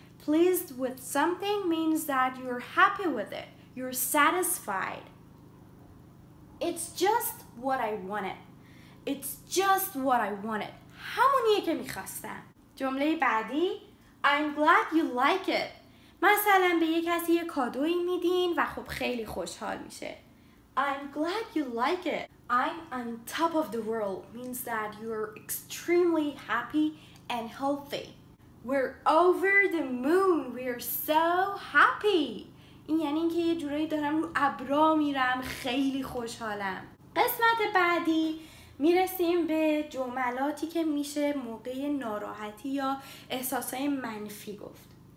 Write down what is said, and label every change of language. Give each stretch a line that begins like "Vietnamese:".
English: Pleased with something means that you're happy with it. You're satisfied. It's just what I wanted.
Persian: همونیه که میخواستم. جمله بعدی
English: I'm glad you like it.
Persian: مثلا به یه کسی یه کادویی میدین و خب خیلی خوشحال میشه.
English: I'm glad you like it. I'm on top of the world means that you're extremely happy and healthy. We're over the moon. We're so happy.
Persian: این یعنی این که یه جورایی دارم رو ابرا میرم، خیلی خوشحالم. قسمت بعدی میرسیم به جملاتی که میشه موقع ناراحتی یا احساسای منفی گفت.